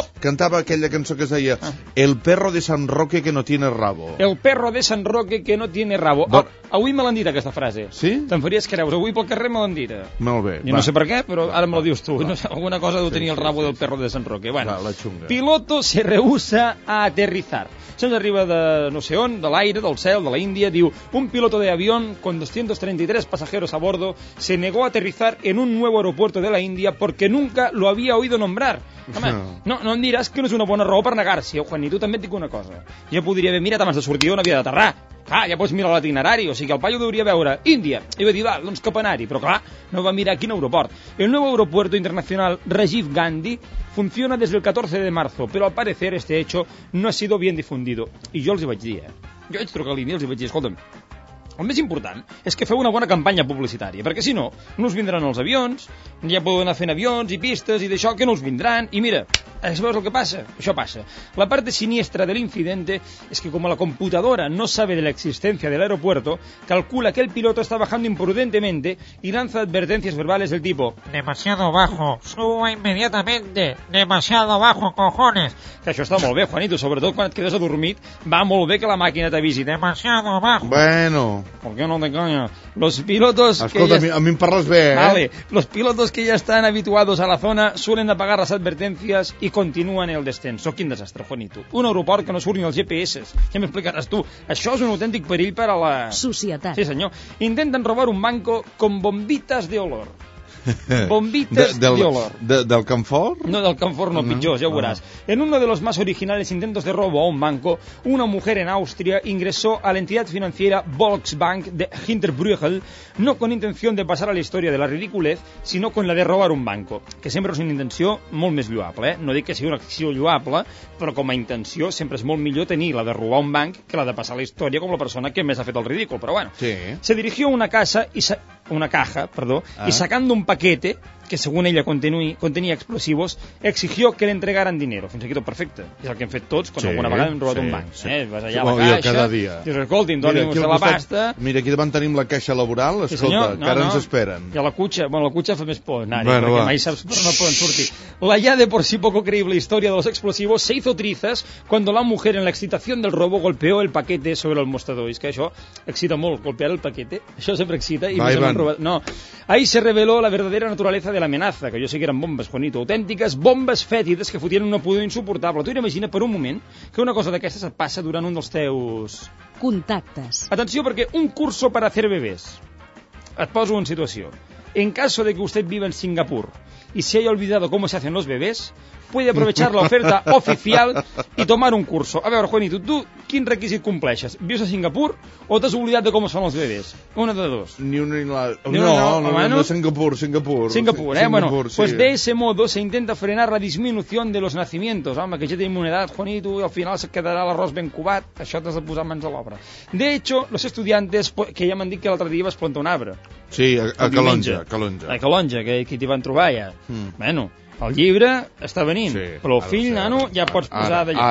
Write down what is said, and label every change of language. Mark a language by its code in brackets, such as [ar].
[ca] Cantava aquella cançó que es deia [es] El perro de San Roque que no tiene rabo. El perro de San Roque que no tiene rabo. [ca] Avui me l'han dit aquesta frase. Sí? Te'n faries creus. Avui pel carrer me l'han dit. Molt bé. Jo no sé per què, però ara me la dius tu. No sé, alguna cosa deu tenir el rabo del perro de San Roque. Bueno, la Chunga. [es] Piloto se rehúsa a aterrizar. [ca] Se'ns arriba de no sé on, de l'aire, del cel, de la Índia. [es] Diu, un piloto de avión con 233 pasajeros a bordo se negó a aterrizar en un nuevo aeropuerto de la Índia porque nunca lo había oído nombrar. [ca] Home, no em diràs que no és una bona raó per negar-s'hi. Juan, i tu també et dic una cosa. Jo podria haver mirat abans de sortir on havia d'aterrar. Clar, ja pots mirar l'itinerari, o sigui, el paio deuria veure Índia. I va dir, va, doncs cap anar-hi. Però clar, no va mirar quin aeroport. El nou aeroport internacional Rajiv Gandhi funciona des del 14 de marzo, però [es] al parecer este hecho no ha sido bien difundido. [ca] I jo els hi vaig dir, Jo vaig trucar a l'Índia i els hi vaig dir, escolta'm, el més important és que feu una bona campanya publicitària, perquè si no, no us vindran els avions, ja podeu anar fent avions i pistes i d'això, que no us vindran, i mira, sabeu el que passa? Això passa. [es] La parte siniestra de l'incidente és que com la computadora no sabe de la existencia del aeropuerto, calcula que el piloto está bajando imprudentemente y lanza advertencias verbales del tipo demasiado bajo, suba inmediatamente, demasiado bajo, cojones. [ca] Que això està molt bé, Juanito, sobretot quan et quedes adormit, va molt bé que la màquina t'avisi, [es] demasiado bajo. [ca] Bueno, [es] ¿por qué no te coño? Los pilotos... [ca] Escolta, [es] ya... [ca] a mi em parles bé, eh? Vale. [es] Los pilotos que ya están habituados a la zona suelen apagar las advertencias y continúan el descenso. [ca] Quin desastre, Juanito. Un aeroport que no surt ni els GPS. Ja m'explicaràs tu. Això és un autèntic perill per a la... societat. Sí, senyor. [es] Intenten robar un banco con bombitas de olor. Bombitas de olor. [ca] Del camfor? No, del camfor no, pitjor, ja ho veràs. [es] En uno de los más originales intentos de robo a un banco, [ca] una mujer en Austria ingresó a la entidad financiera Volksbank de Hinterbrüchel, no con intención de pasar a la historia de la ridiculez, sino con la de robar un banco, que sempre és una intenció molt més lloable, eh? No dic que sigui una acció lloable, però com a intenció sempre és molt millor tenir la de robar un banc que la de passar a la història com la persona que més ha fet el ridícul, però bueno. Sí. [es] Se dirigió a una casa y se... una caja, perdó, y sacando un paquete que según ella contenía explosivos, exigió que le entregaran dinero. [ca] Fins aquí tot perfecte. És el que hem fet tots quan alguna vegada hem robat un banc. Sí. Vas allà a la caixa... Jo cada dia. Dius, escolti'm, doni-me la pasta... Mira, aquí davant tenim la caixa laboral, escolta, que ara ens esperen. I a la cutxa, bueno, la cutxa fa més por, anar-hi, perquè mai saps per on poden sortir. [es] La ya de por sí poco creíble historia de los explosivos se hizo trizas cuando la mujer en la excitación del robo golpeó el paquete sobre el mostrador. [ca] I és que això excita molt, [es] golpear el paquete. [ca] Això sempre excita i més hem robat... No. [es] Ahí se reveló la verdadera naturaleza de la amenaza, [ca] que jo sé que eren bombes, Juanito, autèntiques bombes fètides que fotien una pudor insuportable. Tu imagina per un moment que una cosa d'aquestes et passa durant un dels teus... contactes. Atenció, perquè [es] un curso para hacer bebés. [ca] Et poso en situació. [es] En caso de que usted viva en Singapur y se haya olvidado cómo se hacen los bebés, puede aprovechar la oferta oficial y tomar un curso. [ca] A veure, Juanito, tu quin requisit compleixes? Vius a Singapur o t'has oblidat de com són els bebès? Una de dos. Ni una ni l'altra. No, Singapur. Singapur. [es] Pues de ese modo se intenta frenar la disminución de los nacimientos. [ca] Home, que ja tenim una edat, Juanito, i al final se quedarà l'arròs ben covat. Això t'has de posar mans a l'obra. [es] De hecho, los estudiantes, [ca] que ja m'han dit que l'altre dia vas plantar un arbre. Sí, a Calonja. A Calonja, que t'hi van trobar ja. Bueno, El llibre està venint, sí, però el fill, ser, nano, ja pots posar d'allò,